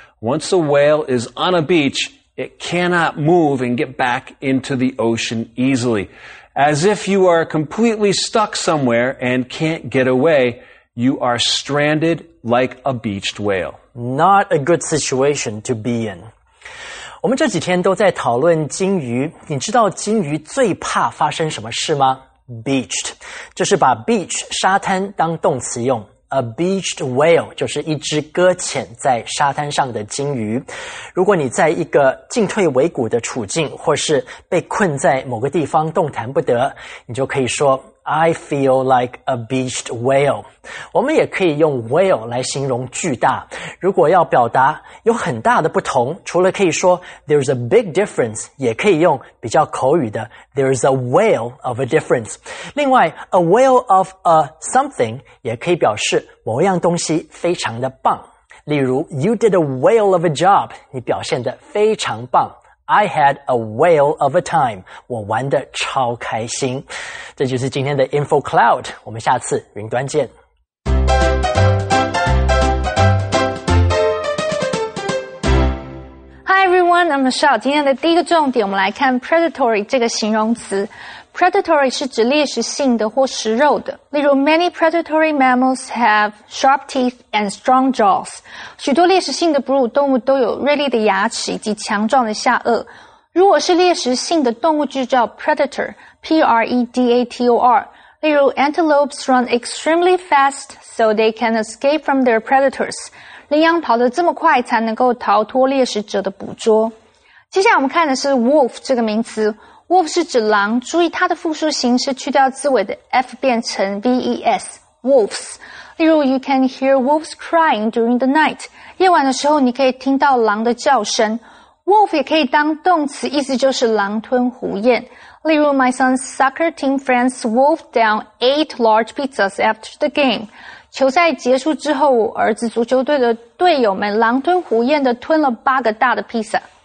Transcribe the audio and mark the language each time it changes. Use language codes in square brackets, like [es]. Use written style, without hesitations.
[en] Once a whale is on a beach, it cannot move and get back into the ocean easily. As if you are completely stuck somewhere and can't get away, you are stranded like a beached whale. Not a good situation to be in. [zh] 我们这几天都在讨论鲸鱼，你知道鲸鱼最怕发生什么事吗？ Beached, 就是把 beach, 沙滩当动词用。 [en] A beached whale [zh] 就是一只搁浅在沙滩上的鲸鱼。如果你在一个进退维谷的处境，或是被困在某个地方动弹不得，你就可以说 [en] I feel like a beached whale。 [zh] 我们也可以用 whale 来形容巨大。如果要表达有很大的不同，除了可以说 [en] There's a big difference， [zh] 也可以用比较口语的 [en] There's a whale of a difference。 [zh] 另外 ， [en] a whale of a something [zh] 也可以表示某样东西非常的棒。例如 ， [en] You did a whale of a job， [zh] 你表现得非常棒。 [en] I had a whale of a time. [zh] 我玩得超开心。这就是今天的 Info Cloud. 我们下次云端见。 [en] Hi everyone, I'm Michelle. [zh] 今天的第一个重点，我们来看 predatory 这个形容词。 Predatory 是指猎食性的或食肉的。例如 [en] ,many predatory mammals have sharp teeth and strong jaws. [zh] 许多猎食性的哺乳动物都有锐利的牙齿以及强壮的下颚。如果是猎食性的动物就叫 predator, P-R-E-D-A-T-O-R。例如 [en] ,antelopes run extremely fast so they can escape from their predators. [zh] 羚羊跑得这么快才能够逃脱猎食者的捕捉。接下来我们看的是 wolf 这个名词。Wolf 是指狼，注意它的复数形式去掉字尾的 F 变成 VES, wolves. 例如 [en] you can hear wolves crying during the night. [zh] 夜晚的时候你可以听到狼的叫声。Wolf 也可以当动词，意思就是狼吞虎咽。例如 [en] my son's soccer team friends wolfed down 8 large pizzas after the game. [zh] 球赛结束之后，我儿子足球队的队友们狼吞虎咽地吞了八个大的披萨。